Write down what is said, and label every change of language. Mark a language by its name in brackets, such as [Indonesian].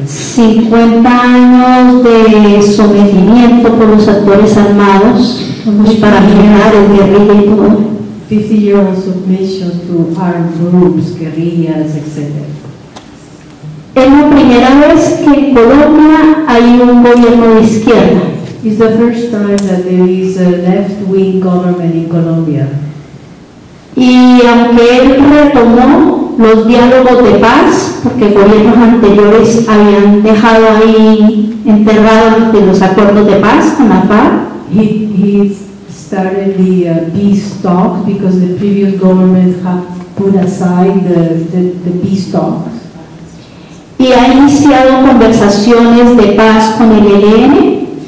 [Spanish] 50 años de sometimiento por los actores armados, los paramilitares, guerrillas y todo. [English] 50 years of submission to armed groups, guerrillas, etc. [Spanish] Es la primera vez que en Colombia hay un gobierno de izquierda. [English] It's the first time that there is a left-wing government in Colombia. [Spanish] Y aunque él retomó los diálogos de paz, porque gobiernos anteriores habían dejado ahí enterrados de los acuerdos de paz con la FARC, [English] he started the peace talk because the previous government had put aside the peace talks. [Spanish] Y ha iniciado conversaciones de paz con el ELN.